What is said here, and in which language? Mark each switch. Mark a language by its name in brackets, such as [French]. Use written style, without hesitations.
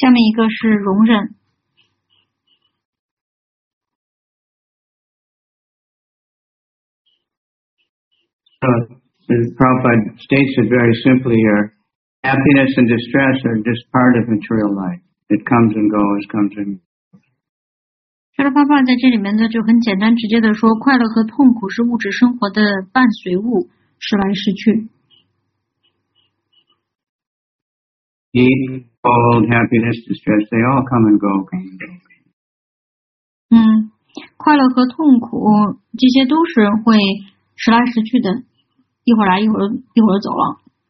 [Chinese] 下面一个是容忍。 [English] So, Prabhupada states it very simply here. Happiness and distress are just part of material life. It comes and goes, comes and goes. [Chinese] 这个方法在这里面呢，就很简单直接的说，快乐和痛苦是物质生活的伴随物，时来时去。 [English] Eat, cold, happiness, distress, they all come and go. [Chinese] 快乐和痛苦，这些都是会时来时去的，一会儿来，一会儿走了。